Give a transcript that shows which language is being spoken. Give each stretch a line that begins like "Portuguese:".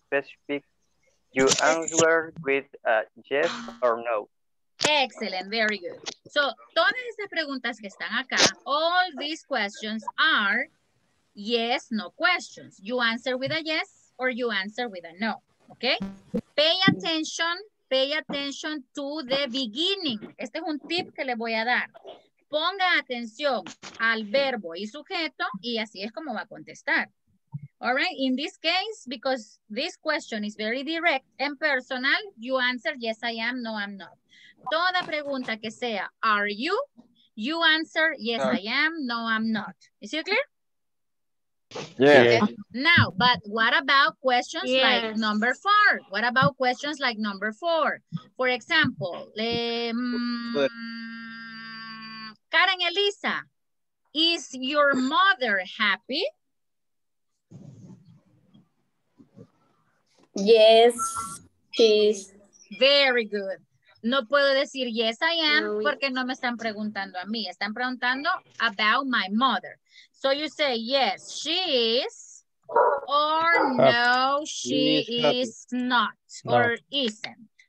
English: specific, you answer with a yes or no. Excellent, very good. So,
Spanish: todas estas preguntas que están acá,
English: all these questions are yes, no questions. You answer with a yes or you answer with a no, okay? Pay attention to the beginning.
Spanish: Este es un tip que les voy a dar. Ponga atención al verbo y sujeto y así es como va a contestar.
English: All right, in this case, because this question is very direct and personal, you answer yes, I am, no, I'm not.
Spanish: Toda pregunta que sea,
English: are you? You answer, yes, I am, no, I'm not. Is it clear? Yeah. Okay. Now, but what about questions yes. like number four? What about questions like number four? For example, Karen Elisa, is your mother happy? Yes, she's. Very good.
Spanish: No puedo decir
English: yes, I am,
Spanish: porque no me están preguntando a mí. Están preguntando
English: about my mother. So you say yes, she is, or no, she is not, or isn't.